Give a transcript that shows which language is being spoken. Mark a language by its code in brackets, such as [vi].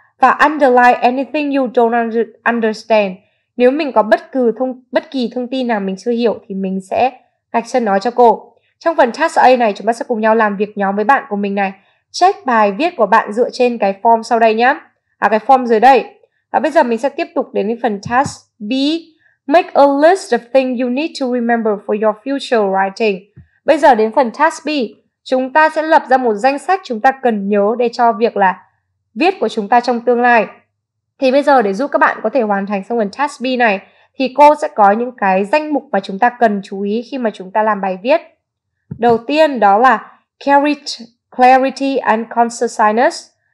[vi] Và [en] underline anything you don't understand, [vi] nếu mình có bất kỳ thông tin nào mình chưa hiểu thì mình sẽ gạch chân nói cho cô. Trong phần task A này, chúng ta sẽ cùng nhau làm việc nhóm với bạn của mình này. Check bài viết của bạn dựa trên cái form sau đây nhé. À, cái form dưới đây. Và bây giờ mình sẽ tiếp tục đến với phần task B. [en] Make a list of things you need to remember for your future writing. [vi] Bây giờ đến phần task B. Chúng ta sẽ lập ra một danh sách chúng ta cần nhớ để cho việc là viết của chúng ta trong tương lai. Thì bây giờ để giúp các bạn có thể hoàn thành xong phần task B này, thì cô sẽ có những cái danh mục mà chúng ta cần chú ý khi mà chúng ta làm bài viết. Đầu tiên đó là [en] clarity and conciseness.